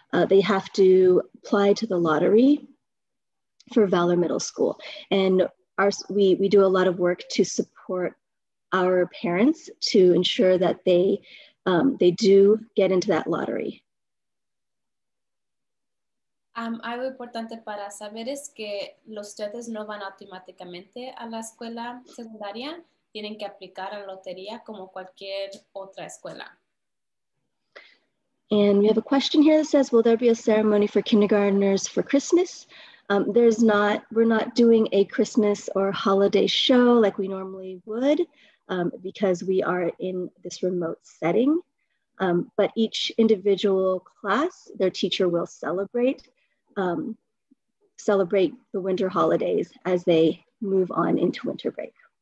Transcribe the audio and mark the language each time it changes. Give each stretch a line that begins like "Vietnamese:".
English: They have to apply to the lottery for Valor Middle School. And we do a lot of work to support our parents to ensure that they do get into that lottery.
Spanish: Algo importante para saber es que los estudiantes no van automáticamente a la escuela secundaria, tienen que aplicar a la lotería como cualquier otra escuela.
English: And we have a question here that says, will there be a ceremony for kindergartners for Christmas? We're not doing a Christmas or holiday show like we normally would because we are in this remote setting. But each individual class, their teacher will celebrate the winter holidays as they move on into winter break.